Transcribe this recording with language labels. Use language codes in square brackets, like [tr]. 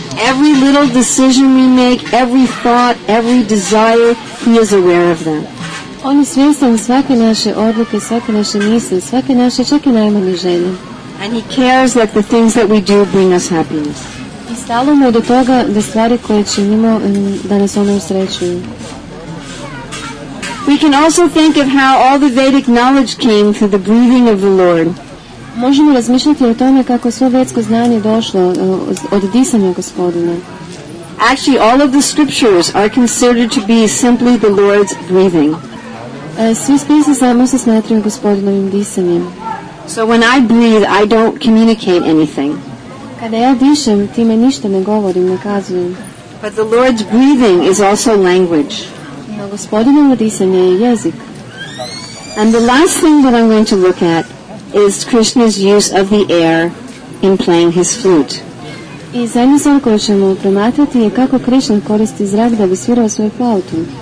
[en] Every little decision we make, every thought, every desire, he is aware of them. [hr] On je svjestan svake naše odluke, svake naše misle, svake naše čak i najmanje želje. [en] And he cares that the things that we do bring us happiness. [hr] I stalo mu do toga da stvari koje činimo da nas one usrećuju. [en] We can also think of how all the Vedic knowledge came through the breathing of the Lord. [hr] Možemo razmišljati o tome kako svo vedsko znanje došlo od disanja gospodina. [en] Actually, all of the scriptures are considered to be simply the Lord's breathing. [hr] Svi spisi samo se smatraju gospodinovim disanjem. [en] So when I breathe, I don't communicate anything. [hr] Kada ja dišem, time ništa ne govorim, ne kazujem. [en] But the Lord's breathing is also language. [hr] No, gospodinovo disanje je jezik. [en] And the last thing that I'm going to look at is Krishna's use of the air in playing his flute. [hr] I zadnju stvar koju ćemo promatrati je kako Krishna koristi zrak da bi svirao svoju flautu.